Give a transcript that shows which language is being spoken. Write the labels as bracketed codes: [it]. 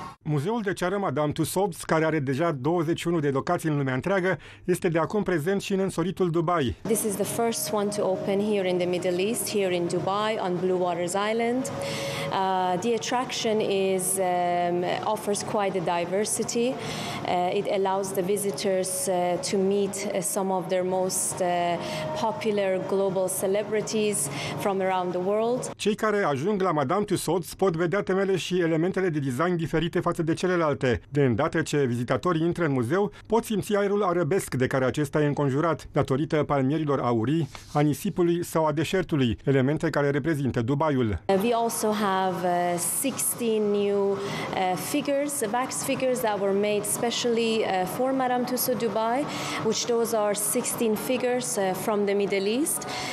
[ro] Muzeul de ceară Madame Tussauds, care are deja 21 de locații în lumea întreagă, este de acum prezent și în însoritul Dubai. [en] This is the first one to open here in the Middle East, here in Dubai on Blue Waters Island. The attraction is offers quite a diversity. It allows the visitors to meet some of their most popular global celebrities from around the world. [ro] Cei care ajung la Madame Tussauds pot vedea temele și elementele de design diferite față de celelalte. De îndată ce vizitatorii intră în muzeu, pot simți aerul arabesc de care acesta e înconjurat, datorită palmierilor aurii, a nisipului sau a deșertului, elemente care reprezintă Dubaiul. [en] We also have 16 new figures, wax figures that were made specially for Madame Tussauds Dubai, which those are 16 figures from the Middle East.